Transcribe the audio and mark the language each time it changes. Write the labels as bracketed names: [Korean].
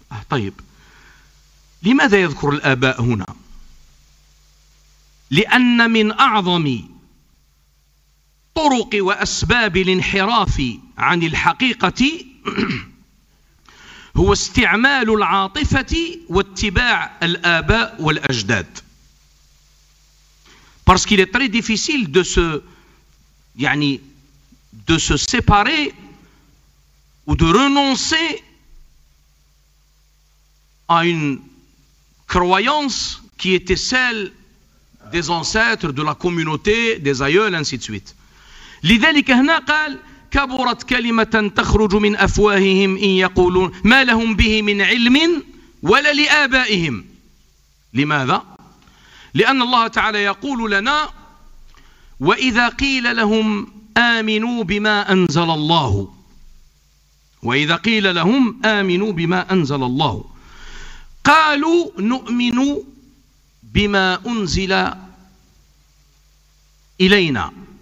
[Arabic] طيب لماذا يذكر الآباء هنا؟ لأن من أعظم طرق وأسباب الانحراف عن الحقيقة هو استعمال العاطفة واتباع الآباء والأجداد. [French] parce qu'il est très difficile de se يعني de se séparer ou de renoncer à une croyance qui était celle des ancêtres, de la communauté, des aïeux, ainsi de suite. [Arabic] لذلك هنا قال: كبرت كلمة تخرج من أفواههم إن يقولون ما لهم به من علم ولا لآبائهم. لماذا؟ لأن الله تعالى يقول لنا: وإذا قيل لهم آمنوا بما أنزل الله، وإذا قيل لهم آمنوا بما أنزل الله قالوا نؤمن بما أنزل إلينا.